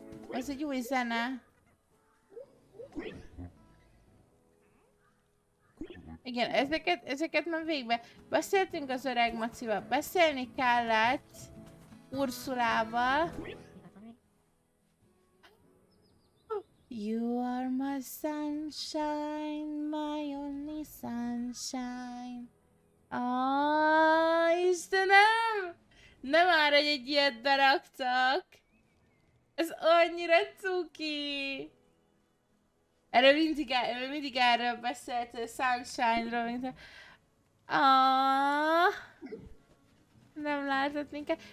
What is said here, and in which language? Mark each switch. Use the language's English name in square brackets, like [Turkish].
[Hungarian] Ez egy új zene. Igen, ezeket már végbe. Beszéltünk az öreg macival, beszélni kellett Ursulával. [English] You are my sunshine, my only sunshine. [Hungarian] Oh, Istenem! Ne már, hogy egy ilyet beraktak! Ez annyira cuki! Erről mindig erről beszélt, a sunshine-ról, mint a... Oh. Nem látott minket.